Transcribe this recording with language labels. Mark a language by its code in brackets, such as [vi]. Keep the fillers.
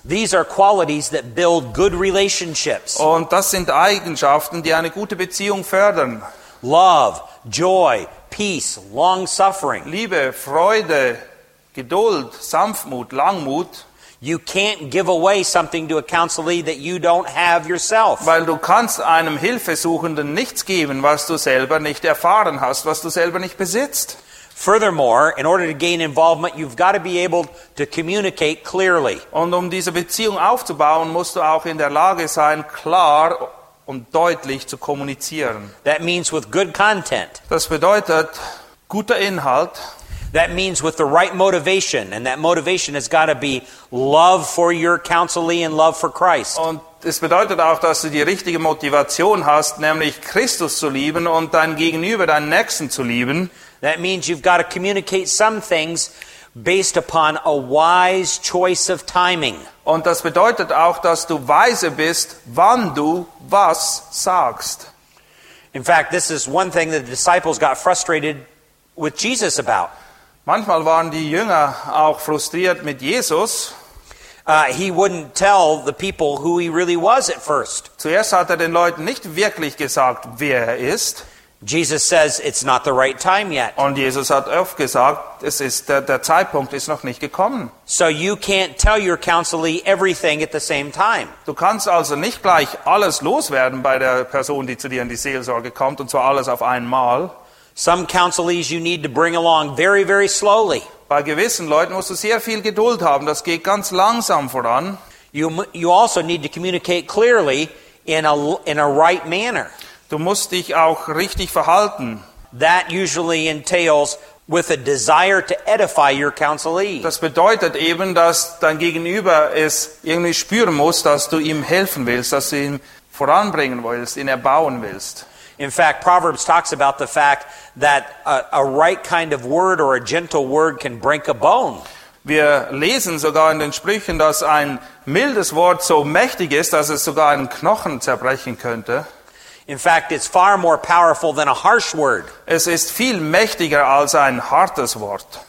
[en] These are qualities that build good relationships. [de] Und das sind Eigenschaften, die eine gute Beziehung fördern. [en] Love, joy, peace, long suffering. [de] Liebe, Freude, Geduld, Sanftmut, Langmut. [en] You can't give away something to a counselee that you don't have yourself. [de] Weil du kannst einem Hilfesuchenden nichts geben, was du selber nicht erfahren hast, was du selber nicht besitzt. [en] Furthermore, in order to gain involvement, you've got to be able to communicate clearly. [de] Und um diese Beziehung aufzubauen, musst du auch in der Lage sein, klar um deutlich zu kommunizieren. [en] That means with good content. [de] Das bedeutet, guter Inhalt. [en] That means with the right motivation, and that motivation has got to be love for your counselee and love for Christ. [de] Und es bedeutet auch, dass du die richtige Motivation hast, nämlich Christus zu lieben und dein Gegenüber, deinen Nächsten zu lieben. [en] That means you've got to communicate some things based upon a wise choice of timing. [de] Und das bedeutet auch, dass du weise bist, [en] when [de] du [en] say what. In fact, this is one thing that the disciples got frustrated with Jesus about. [de] Manchmal waren die Jünger auch frustriert mit Jesus. [en] Uh, he wouldn't tell the people who he really was at first. [de] Zuerst hat er den Leuten nicht wirklich gesagt, wer er ist. [en] Jesus says it's not the right time yet. [de] Und Jesus hat oft gesagt, es ist der, der, Zeitpunkt ist noch nicht gekommen. [en] So you can't tell your counselee everything at the same time. [de] Du kannst also nicht gleich alles loswerden bei der Person, die zu dir in die Seelsorge kommt und zwar alles auf einmal. [en] Some counselees you need to bring along very very slowly. [de] Bei gewissen Leuten musst du sehr viel Geduld haben, das geht ganz langsam voran. [en] You you also need to communicate clearly in a in a right manner. [de] Du musst dich auch richtig verhalten. Das bedeutet eben, dass dein Gegenüber es irgendwie spüren muss, dass du ihm helfen willst, dass du ihn voranbringen willst, ihn erbauen willst. [en] In fact, Proverbs talks about the fact that a, a right kind of word or a gentle word can break a bone. [de] Wir lesen sogar in den Sprüchen, dass ein mildes Wort so mächtig ist, dass es sogar einen Knochen zerbrechen könnte. [en] In fact, it's far more powerful than a harsh word. [de] Es ist viel mächtiger als ein hartes Wort.